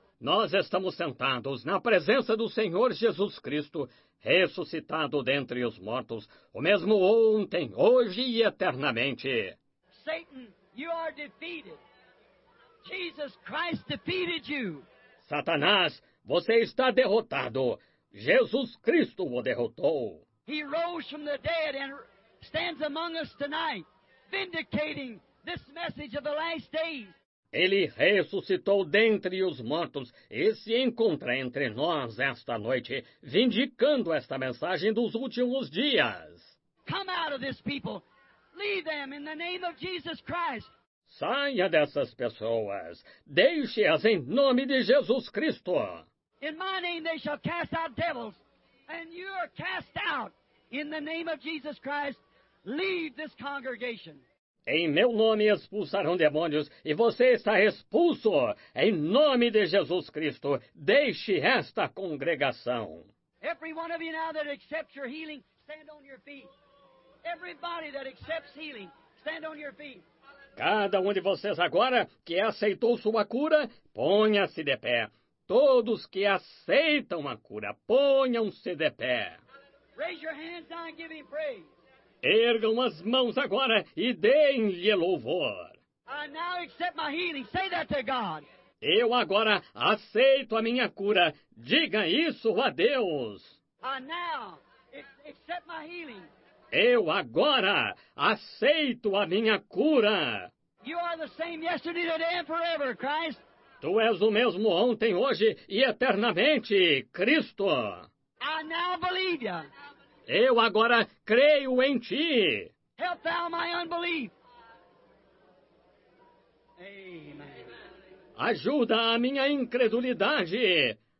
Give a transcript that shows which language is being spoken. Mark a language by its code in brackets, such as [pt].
[pt] Nós estamos sentados na presença do Senhor Jesus Cristo, ressuscitado dentre os mortos, o mesmo ontem, hoje e eternamente. [en] Satan, you are defeated. Jesus Christ defeated you. [pt] Satanás, você está derrotado. Jesus Cristo o derrotou. [en] He rose from the dead and stands among us tonight. Vindicating this message of the last days. [pt] Ele ressuscitou dentre os mortos e se encontra entre nós esta noite, vindicando esta mensagem dos últimos dias. [en] Come out of this people. Leave them in the name of Jesus Christ. [pt] Saia dessas pessoas. Deixe-as em nome de Jesus Cristo. [en] In my name they shall cast out devils, and you are cast out in the name of Jesus Christ. Leave this congregation. [pt] Em meu nome expulsarão demônios, e você está expulso. Em nome de Jesus Cristo, deixe esta congregação. [en] Every one of you now that accepts your healing, stand on your feet. Everybody that accepts healing, stand on your feet. Hallelujah. [pt] Cada um de vocês agora que aceitou sua cura, ponha-se de pé. Todos que aceitam a cura, ponham-se de pé. [en] Raise your hands and give him praise. [pt] Ergam as mãos agora e deem-lhe louvor. [en] I now accept my healing. Say that to God. [pt] Eu agora aceito a minha cura. Diga isso a Deus. [en] I now accept my healing. [pt] Eu agora aceito a minha cura. [en] You are the same yesterday, today and forever, Christ. [pt] Tu és o mesmo ontem, hoje e eternamente, Cristo. [en] I now believe you. [pt] Eu agora creio em ti. [en] Help thou my unbelief. Amen. [pt] Ajuda a minha incredulidade.